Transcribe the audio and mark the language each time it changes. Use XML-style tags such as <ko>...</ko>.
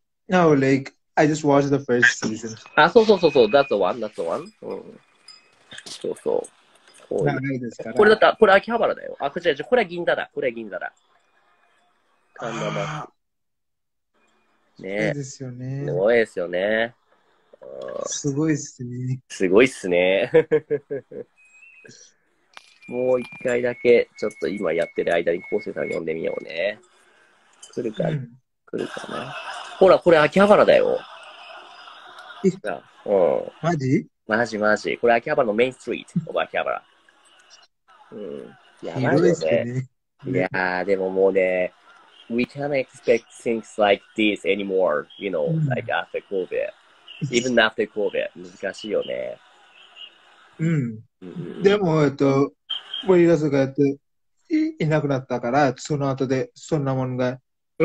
<en>No, like, I just watched the first season.</en> <ja>あ、そうそうそうそう、</ja> <en>That's the one.</en> <ja>うん。そうそう。これだった、これ秋葉原だよ。あ、こちら、じゃ、これは銀座だ、これは銀座だ。神田祭。ねえ。ですよね。すごいですよね。すごいっすね。すごいっすね。もう一回だけ、ちょっと今やってる間に、昴生さん呼んでみようね。来るか、うん、来るかな。ほら、これ秋葉原だよ。いいか。マジ？マジマジ。これ秋葉原のメインストリート、秋葉原。うん、やばいよね。いやー、でももうね、</ja> <en>We can't expect things like this anymore, you know,、うん、like after COVID. Even after COVID,</en> <ja>難しいよね。うん。でも、ウイルスがいなくなったから、その後でそんなものがい</ja>